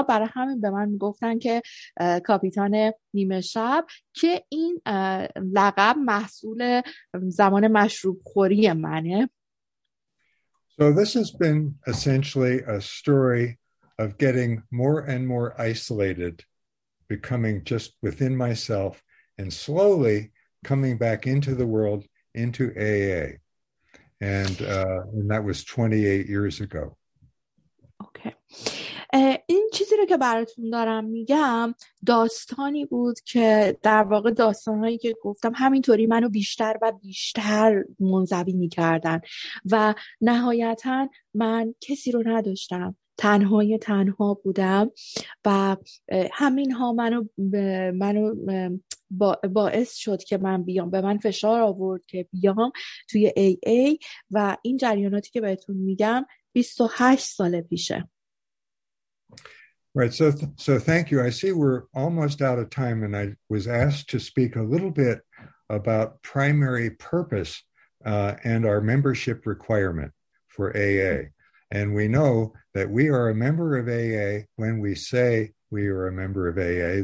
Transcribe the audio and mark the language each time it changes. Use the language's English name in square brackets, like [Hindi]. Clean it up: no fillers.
[Persian] برای همین به من میگفتن که کاپیتان نیمه شب، که این لقب محصول زمان مشروب خوری منه. [English] So this has been essentially a story of getting more and more isolated, becoming just within myself, and slowly coming back into the world, into AA. And that was 28 years ago. Okay. [Persian] این چیزی رو که براتون دارم میگم داستانی بود که در واقع داستانهایی که گفتم همینطوری منو بیشتر و بیشتر منزوی میکردن و نهایتا من کسی رو نداشتم، تنهای تنها بودم و همین ها منو باعث شد که من بیام، به من فشار آورد که بیام توی AA. و این جریاناتی که بهتون میگم 28 سال پیشه. [English] Right, so thank you. I see we're almost out of time and I was asked to speak a little bit about primary purpose and our membership requirement for AA. And we know that we are a member of AA when we say we are a member of AA.